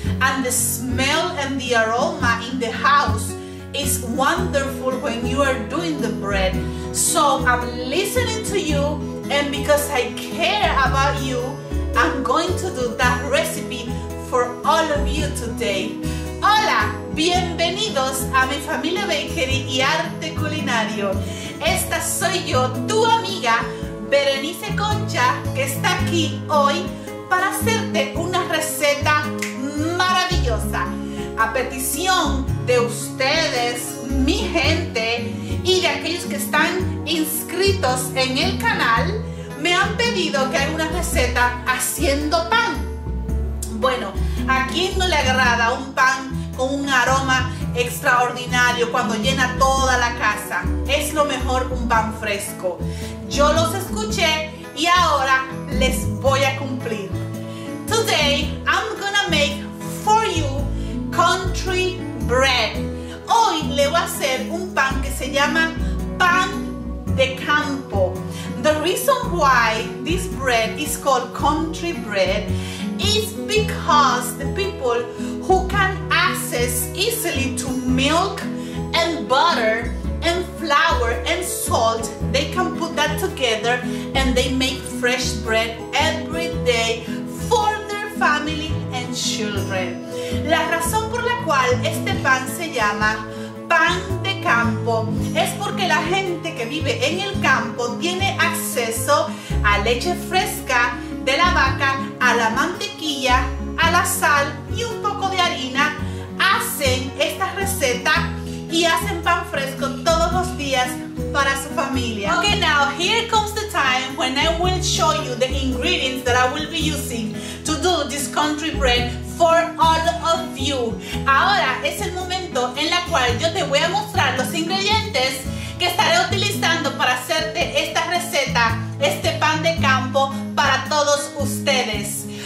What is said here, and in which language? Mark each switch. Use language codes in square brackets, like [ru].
[en] And the smell and the aroma in the house is wonderful when you are doing the bread. So I'm listening to you, and because I care about you, I'm going to do that recipe for all of you today. [es] Hola, bienvenidos a Mi Familia Bakery y Arte Culinario. Esta soy yo, tu amiga Berenice Concha, que está aquí hoy para hacerte una receta maravillosa, a petición de ustedes, mi gente, y de aquellos que están inscritos en el canal, me han pedido que haga una receta haciendo pan. Bueno, ¿a quién no le agrada un pan con un aroma extraordinario cuando llena toda la casa? Es lo mejor un pan fresco. Yo los escuché y ahora les voy a cumplir. [en] Today I'm gonna make for you country bread. [es] Hoy le voy a hacer un pan que se llama pan de campo. [en] The reason why this bread is called country bread is because the people who can access easily to milk and butter and flour and salt, they can put that together and they make fresh bread every day for their family and children. [es] La razón por la cual este pan se llama pan de campo es porque la gente que vive en el campo tiene acceso a leche fresca de la vaca, a la mantequilla, a la sal y un poco de harina. Hacen esta receta y hacen pan fresco todos los días para su familia. [en] Okay, now here comes the time when I will show you the ingredients that I will be using to do this country bread for all of you. [es] Ahora es el momento en la cual yo te voy a mostrar los ingredientes que estaré utilizando para hacerte esta receta, este pan de campo para todos ustedes.